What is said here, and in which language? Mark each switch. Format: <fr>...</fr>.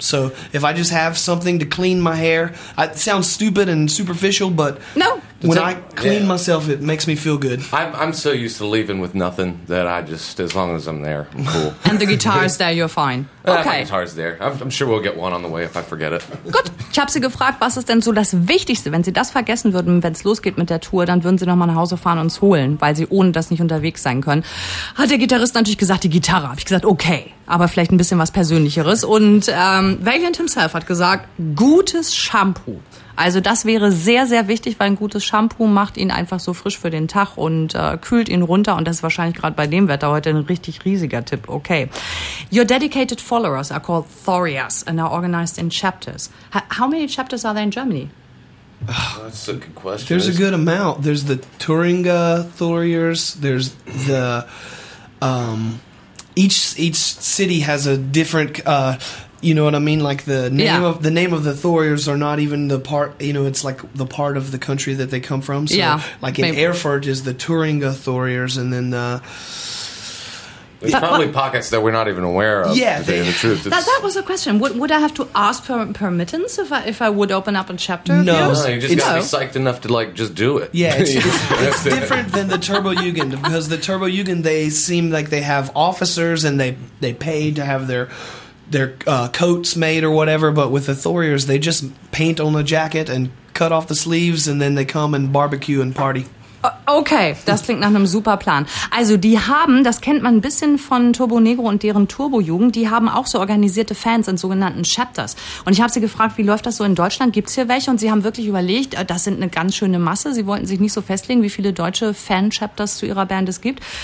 <en>So if I just have something to clean my hair, it sounds stupid and superficial, but no, When I clean myself, it makes me feel good. I'm so used to leaving with nothing that I just, as long as I'm there, I'm cool. And the guitar's there, you're fine. Okay. The guitar's there. I'm sure we'll get one on the way if I forget it.</en> <de>Gut. Ich habe Sie gefragt, was ist denn so das Wichtigste, wenn Sie das vergessen würden, wenn es losgeht mit der Tour, dann würden Sie nochmal nach Hause fahren und es holen, weil Sie ohne das nicht unterwegs sein können. Hat der Gitarrist natürlich gesagt, die Gitarre. Habe ich gesagt, okay, aber vielleicht ein bisschen was Persönlicheres. Und Valiant himself hat gesagt, gutes Shampoo. Also das wäre sehr, sehr wichtig, weil ein gutes Shampoo macht ihn einfach so frisch für den Tag und kühlt ihn runter. Und das ist wahrscheinlich gerade bei dem Wetter heute ein richtig riesiger Tipp. Okay.</de> <en>Your dedicated followers are called Thorias and are organized in chapters. How many chapters are there in Germany? Oh, that's a good question. There's a good amount. There's the Thuringia Thorias. There's the... each city has a different... you know what I mean? Like the name of the Thoriers are not even the part, you know, it's like the part of the country that they come from. So yeah, like in Erfurt is the Thuringia Thoriers, and then the... There's probably pockets that we're not even aware of, to tell you the truth. That was a question. Would I have to ask permittance if I would open up a chapter? No. You just got to be psyched enough to, like, just do it. Yeah, it's different than the Turbojugend, because the Turbojugend, they seem like they have officers, and they pay to have their coats made or whatever, but with the Thoriers, they just paint on the jacket and cut off the sleeves, and then they come and barbecue and party.</en> <de>Okay, das klingt nach einem super Plan. Also die haben, das kennt man ein bisschen von Turbo Negro und deren Turbo-Jugend, die haben auch so organisierte Fans in sogenannten Chapters. Und ich habe sie gefragt, wie läuft das so in Deutschland? Gibt's hier welche? Und sie haben wirklich überlegt, das sind eine ganz schöne Masse. Sie wollten sich nicht so festlegen, wie viele deutsche Fan-Chapters zu ihrer Band es gibt.</de>